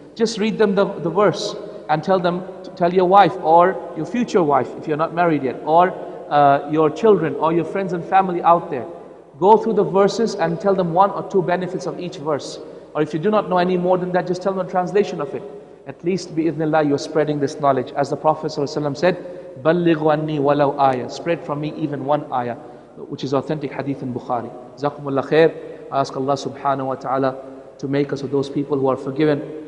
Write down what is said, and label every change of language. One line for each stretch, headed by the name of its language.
English: Just read them the verse and tell them, tell your wife or your future wife if you're not married yet, or your children or your friends and family out there. Go through the verses and tell them one or two benefits of each verse. Or if you do not know any more than that, just tell them a translation of it. At least, bi-idhnillah, you're spreading this knowledge. As the Prophet ﷺ said,
Arabic: بَلِّغُ أَنِّي وَلَوْ آيَةً.
English: Spread from me even one ayah, which is authentic hadith in Bukhari.
Arabic: جزاكم الله خير.
English: I ask Allah subhanahu wa ta'ala to make us of those people who are forgiven.